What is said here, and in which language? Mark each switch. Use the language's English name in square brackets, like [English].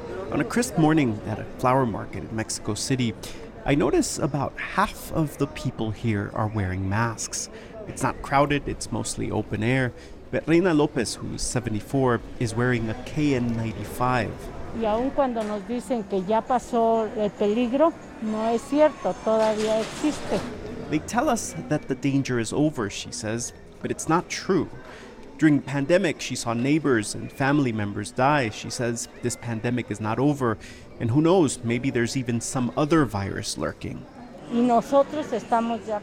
[English] On a crisp morning at a flower market in Mexico City, I notice about half of the people here are wearing masks. It's not crowded, it's mostly open air. But Reina Lopez, who's 74, is wearing a KN95. [Spanish] Y aun cuando nos dicen que ya pasó el peligro, no es cierto, todavía existe. [English] They tell us that the danger is over, she says, but it's not true. During the pandemic, she saw neighbors and family members die. She says this pandemic is not over, and who knows, maybe there's even some other virus lurking. [Spanish] Y nosotros estamos ya